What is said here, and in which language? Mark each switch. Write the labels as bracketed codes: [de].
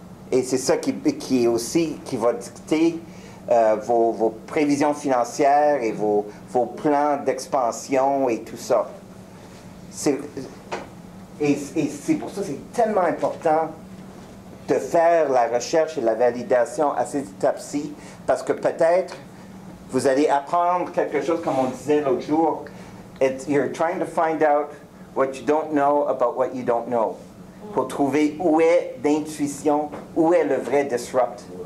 [fr] Et c'est ça qui est aussi qui va dicter vos prévisions financières et vos plans d'expansion et tout ça. Et c'est pour ça que c'est tellement important de faire la recherche et la validation à cette étape-ci, parce que peut-être vous allez apprendre quelque chose, comme on disait l'autre jour. [en] You're trying to find out what you don't know about what you don't know. [fr] Pour trouver où est l'intuition, où est le vrai disrupt.